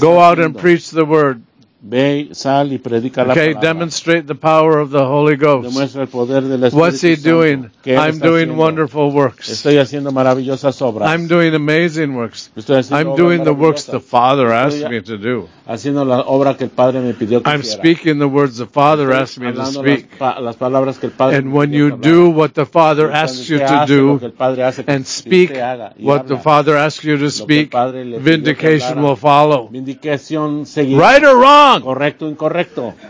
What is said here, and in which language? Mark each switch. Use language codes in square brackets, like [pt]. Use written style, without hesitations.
[en] go out and preach the word. [es] Ve, sal y predica [en] okay, [es] la palabra. [en] Demonstrate the power of the Holy Ghost. [es] Demuestra el poder del Espíritu [en] what's he [es] Santo? [en] Doing? [es] Que él [en] I'm doing [es] haciendo. [en] Wonderful works. [es] Estoy haciendo maravillosas obras. [en] I'm doing amazing works. [es] Estoy haciendo [en] I'm doing the works the Father asked me to do. [es] Haciendo la obra que el Padre me pidió que [en] I'm speaking the words the Father asked me to speak. [es] Las palabras que el Padre [en] and when you [es] hablar. [en] Do what the Father asks you to do and speak what the Father asks you to speak, vindication will follow. [es] Vindicación seguirá. [en] Right or wrong? [es] Correcto, incorrecto.